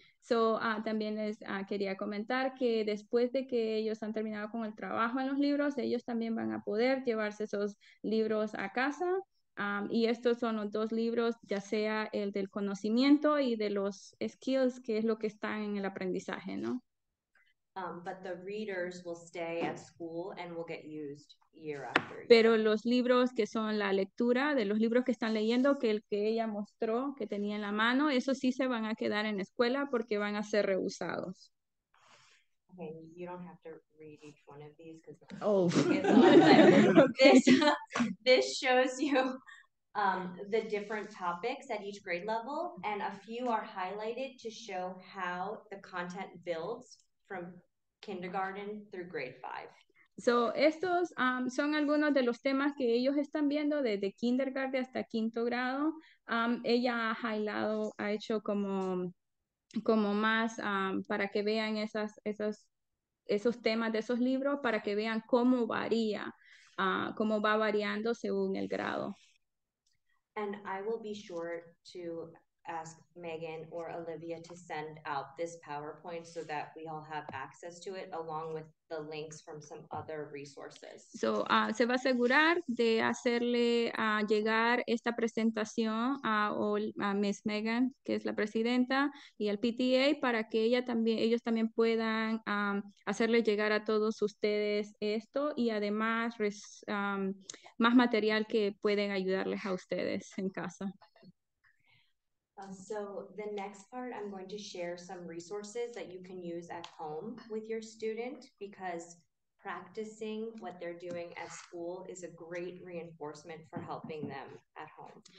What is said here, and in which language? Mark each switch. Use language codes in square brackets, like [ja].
[es] So, también les quería comentar que después de que ellos han terminado con el trabajo en los libros, ellos también van a poder llevarse esos libros a casa. Y estos son los dos libros, ya sea el del conocimiento y de los skills, que es lo que está en el aprendizaje, ¿no? [en] But the readers will stay at school and will get used year after year. [es] Pero los libros que son la lectura, de los libros que están leyendo, que el que ella mostró, que tenía en la mano, eso sí se van a quedar en escuela porque van a ser reusados. [en] Okay, you don't have to read each one of these because this shows you the different topics at each grade level, and a few are highlighted to show how the content builds from kindergarten through grade 5. [es] So estos son algunos de los temas que ellos están viendo desde kindergarten hasta quinto grado. Ella ha highlightado, ha hecho como más para que vean esos temas de esos libros para que vean cómo varía, cómo va variando según el grado. [en] And I will be sure to ask Megan or Olivia to send out this PowerPoint so that we all have access to it along with the links from some other resources. [es] So, se va a asegurar de hacerle llegar esta presentación a Miss Megan, que es la presidenta, y al PTA para que ellos también puedan hacerle llegar a todos ustedes esto y además más material que pueden ayudarles a ustedes en casa. [en] So the next part, I'm going to share some resources that you can use at home with your student because practicing what they're doing at school is a great reinforcement for helping them at home.